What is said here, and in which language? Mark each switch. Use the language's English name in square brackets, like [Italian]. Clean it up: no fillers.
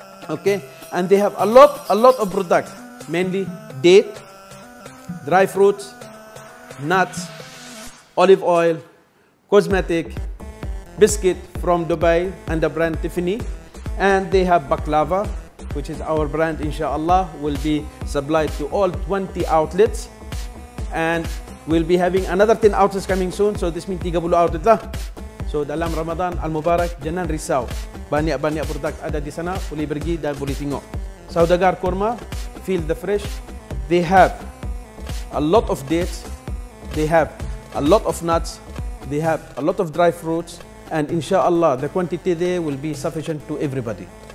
[English] Okay? And they have a lot of product, mainly date, dry fruits, nuts, olive oil, cosmetic, biscuit from Dubai under brand Tiffany. And they have baklava, which is our brand, inshallah, will be supplied to all 20 outlets. And we'll be having another 10 outlets coming soon. So this means 30 outlets lah. So [Malay] dalam Ramadan Al-Mubarak, jangan risau. Banyak-banyak produk ada di sana, boleh pergi dan boleh tengok. [English] Saudagar Kurma, Feel the Fresh, they have a lot of dates, they have a lot of nuts, they have a lot of dry fruits, and inshallah the quantity there will be sufficient to everybody.